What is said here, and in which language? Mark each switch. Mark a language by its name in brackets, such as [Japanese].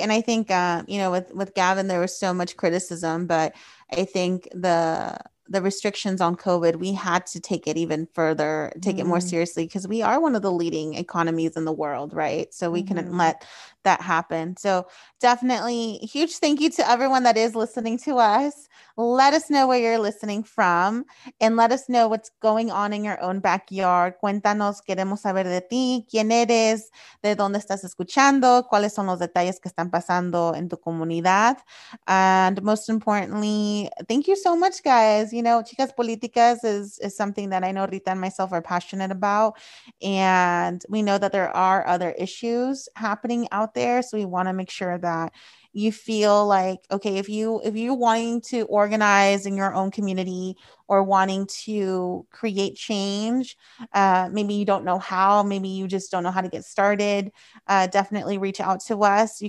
[English] And I think, you know, with Gavin, there was so much criticism, but I think the restrictions on COVID, we had to take it even further, take it more seriously, because we are one of the leading economies in the world, right? So we couldn't let that happen. So definitely huge thank you to everyone that is listening to us. Let us know where you're listening from and let us know what's going on in your own backyard. [Spanish] Cuéntanos, queremos saber de ti, quién eres, de dónde estás escuchando, cuáles son los detalles que están pasando en tu comunidad. [English] And most importantly, thank you so much, guys. You know, Chicas Políticas is something that I know Rita and myself are passionate about. And we know that there are other issues happening out there. So we want to make sure that you feel like, okay, if you're wanting to organize in your own community or wanting to create change, maybe you don't know how, maybe you just don't know how to get started, definitely reach out to us.